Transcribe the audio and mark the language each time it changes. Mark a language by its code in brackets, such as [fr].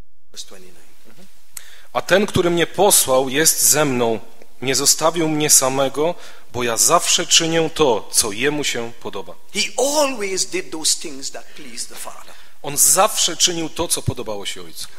[en] Verse 29. [pl] A ten, który mnie posłał, jest ze mną. Nie zostawił mnie samego, bo ja zawsze czynię to, co jemu się podoba. [en] He always did those things that pleased the Father. [pl] On zawsze czynił to, co podobało się ojcu.